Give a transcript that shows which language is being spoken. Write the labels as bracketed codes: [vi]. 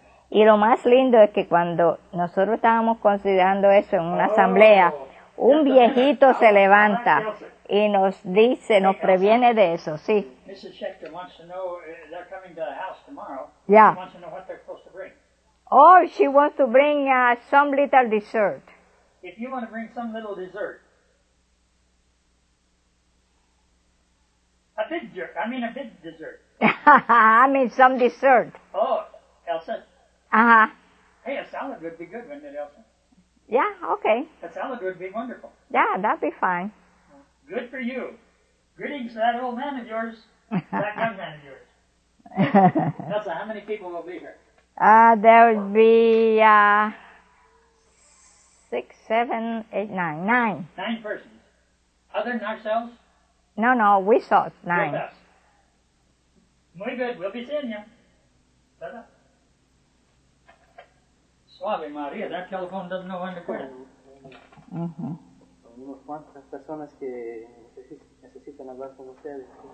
[es] Y lo más lindo es que cuando nosotros estábamos considerando eso en una asamblea, un viejito se levanta y nos dice, nos previene de eso, sí. [en] Mrs. Schechter wants to know, they're coming to the house tomorrow. Yeah. She wants to know what they're supposed to bring. Oh, she wants to bring some little dessert. If you want to bring some little dessert. A big dessert. I mean some dessert. Oh, Elsa. Uh-huh. Hey, a salad would be good, wouldn't it, Elsa? Yeah, okay. A salad would be wonderful. Yeah, that'd be fine. Good for you. Greetings to that old man of yours, that young man of yours. Elsa, how many people will be here? There would be 6, 7, 8, 9. 9 persons. Other than ourselves? No, we saw 9. Muy good, we'll be seeing you. Ta-da. Suave Maria, that telephone doesn't know when to quit. [es] Unos cuantas personas que necesitan hablar con ustedes.